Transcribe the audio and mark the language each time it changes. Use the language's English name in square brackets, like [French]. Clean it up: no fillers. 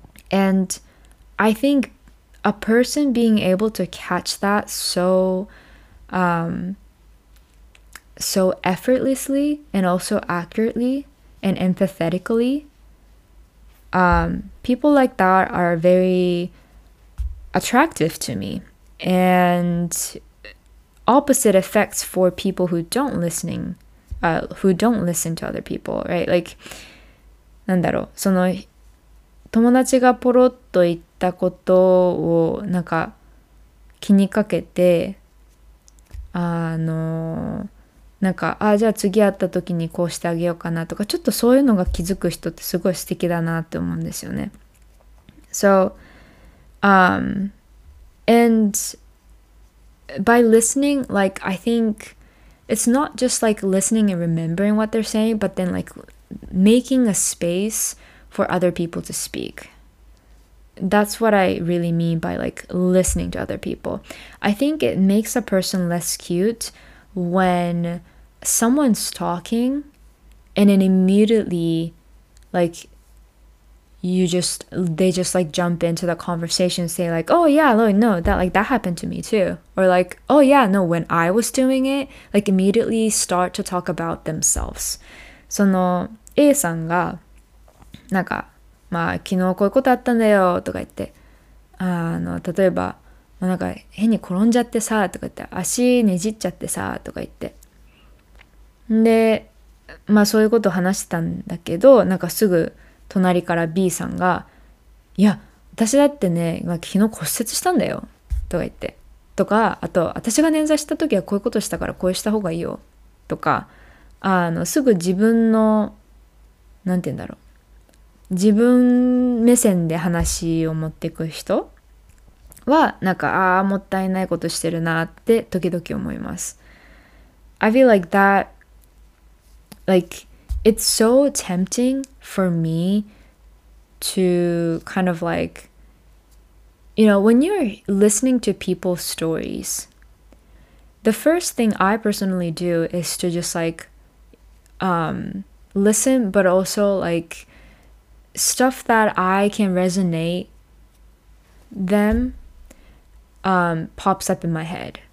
[English] And I think a person being able to catch that so effortlessly and also accurately and empathetically, people like that are very attractive to me. And opposite effects for people who don't listening, who don't listen to other people, right? [Japanese] Like, その友達がポロッと言ったことをなんか気にかけて、なんか、あ、じゃあ次会った時にこうしてあげようかなとか、ちょっとそういうのが気づく人ってすごい素敵だなって思うんですよね。 [English] So, and by listening, like, I think it's not just like listening and remembering what they're saying, but then like making a space for other people to speak. That's what I really mean by like listening to other people. I think it makes a person less cute when someone's talking and then immediately like they just like jump into the conversation and say like, oh yeah, no, that happened to me too. Or like, oh yeah, no, when I was doing it, like immediately start to talk about themselves. [Japanese] その A さんがなんか、まあ昨日こういうことあったんだよとか言って、例えば、まあ、なんか変に転んじゃってさとか言って、足ねじっちゃってさとか言って、で、まあそういうことを話してたんだけど、なんかすぐ隣から B さんが、いや、私だってね、まあ、昨日骨折したんだよ、とか言って。とか、あと、私が捻挫した時はこういうことしたからこうした方がいいよ、とか、すぐ自分の、なんて言うんだろう。自分目線で話を持っていく人は、なんか、ああ、もったいないことしてるなって時々思います。 [English] I feel like that, like,It's so tempting for me to kind of like, you know, when you're listening to people's stories, the first thing I personally do is to just like, listen, but also like stuff that I can resonate them, pops up in my head.